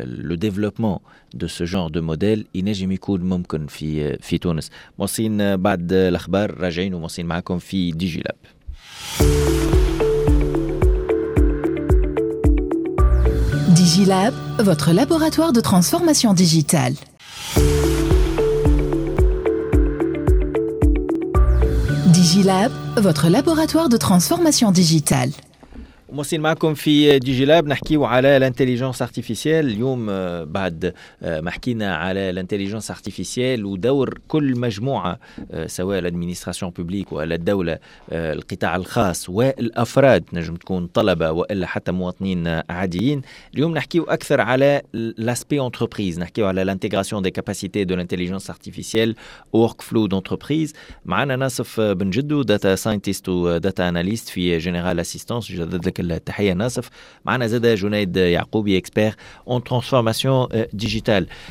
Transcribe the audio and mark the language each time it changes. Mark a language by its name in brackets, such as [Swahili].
[French] le développement de ce genre de modèle il n'est jamais cool [Arabic] ممكن في تونس موسين بعد الاخبار راجعين وموسين معكم في ديجي لاب [French] ديجي لاب votre laboratoire de transformation digitale ديجي لاب votre laboratoire de transformation digitale [Arabic] موسين معكم في ديجي لاب نحكيو على الانتليجنس ارتيفيسيال اليوم بعد ما حكينا على الانتليجنس ارتيفيسيال ودور كل مجموعه سواء الادمنستراسيون بوبليك ولا الدوله القطاع الخاص والافراد نجم تكون طلبه والا حتى مواطنين عاديين اليوم نحكيو اكثر على لاسبي انتربريز نحكيو على الانتغراسيون دي كاباسيتي دو الانتليجنس ارتيفيسيال ورك فلو دونتربريز معنا ناصف بن جدو داتا ساينتست وداتا اناليست في جنرال اسيستانس جدد التحية ناصف معنا زادة جنيد يعقوبي اكسبير اون ترانسفورماسيون ديجيتال